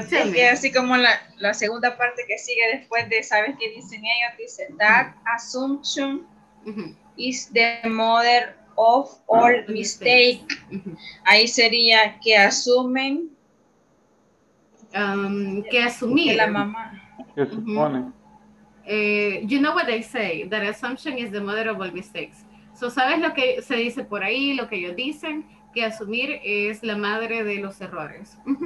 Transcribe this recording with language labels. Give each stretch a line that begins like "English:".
Spanish: Es que así como la segunda parte que sigue después de, ¿sabes qué dicen ellos? Dice,
English: that assumption is the mother of all mistakes.
Spanish: Ahí sería que asumen. Que asumir. La mamá.
English: You know what they say, that assumption is the mother of all mistakes.
Spanish: So, ¿sabes lo que se dice por ahí, lo que ellos dicen? Que asumir es la madre de los errores.